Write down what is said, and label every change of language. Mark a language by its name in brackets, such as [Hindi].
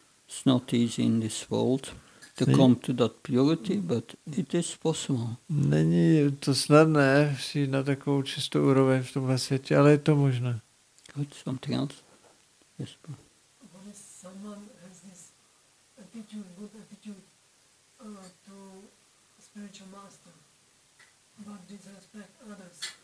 [English] It's not easy in this world to come to that purity, but it is possible. [Czech] Není to snadné si na takovou čistou úroveň v tomhle světě, ale je to možné. [English] Good, something else? Yes, bro. When someone has this attitude, good attitude, to the Krishna spiritual master, but disrespect others,